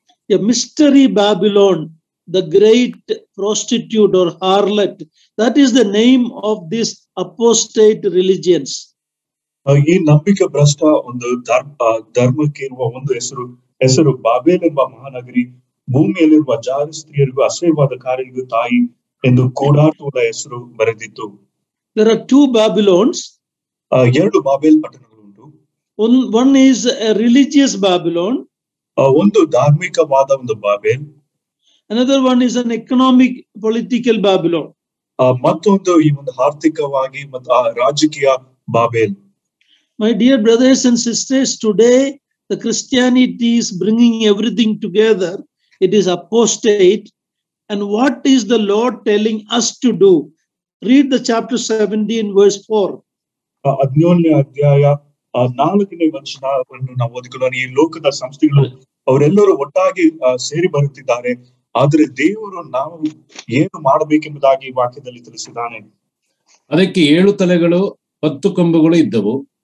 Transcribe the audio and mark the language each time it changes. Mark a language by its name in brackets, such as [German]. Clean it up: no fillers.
[English] Mystery Babylon, the great prostitute or harlot, that is the name of this apostate religions. [Kannada] ಈ ನಂಬಿಕೆ ಭ್ರಷ್ಟ ಒಂದು ಧರ್ಮಕ್ಕೆ ಇರುವ ಒಂದು ಹೆಸರು ಬಾಬೆಲ್ ಎಂಬ ಮಹಾನಗರಿ ಭೂಮಿಯಲ್ಲಿರುವ ಜಾರಸ್ತ್ರೀಯರಿಗೂ ಅಸಹ್ಯವಾದ ಕಾರ್ಯಗಳಿಗೂ ತಾಯಿ ಎಂದು ಗೂಢಾರ್ಥವುಳ್ಳ ಹೆಸರು ಬರೆದಿತ್ತು. [English] There are two Babylons. [Kannada] ಎರಡು ಬಾಬೆಲ್ ಪಟ್ಟಣಗಳು ಉಂಟು. [English] One is a religious Babylon. [Kannada] ಒಂದು ಧಾರ್ಮಿಕವಾದ ಒಂದು Babel. [English] Another one is an economic political Babylon. [Kannada] ಮತ್ತೊಂದು ಈ ಒಂದು ಆರ್ಥಿಕವಾಗಿ ಮತ್ತು ರಾಜಕೀಯ Babel. [English] My dear brothers and sisters, today the Christianity is bringing everything together. It is apostate. And what is the Lord telling us to do? Read the chapter 17:4. [Kannada] ಅದ್ನೇ ಅಧ್ಯಾಯ ನಾಲ್ಕನೇ ವಚನವನ್ನು ನಾವು ಓದಿಕೊಳ್ಳೋಣ. ಈ ಲೋಕದ ಸಂಸ್ಥೆಗಳು ಅವರೆಲ್ಲರೂ ಒಟ್ಟಾಗಿ ಸೇರಿ ಬರುತ್ತಿದ್ದಾರೆ, ಆದ್ರೆ ದೇವರು ನಾವು ಏನು ಮಾಡಬೇಕೆಂಬುದಾಗಿ ವಾಕ್ಯದಲ್ಲಿ ತಿಳಿಸಿದ್ದಾನೆ. ಅದಕ್ಕೆ ಏಳು ತಲೆಗಳು 10 ಕೊಂಬುಗಳು ಇದ್ದವು.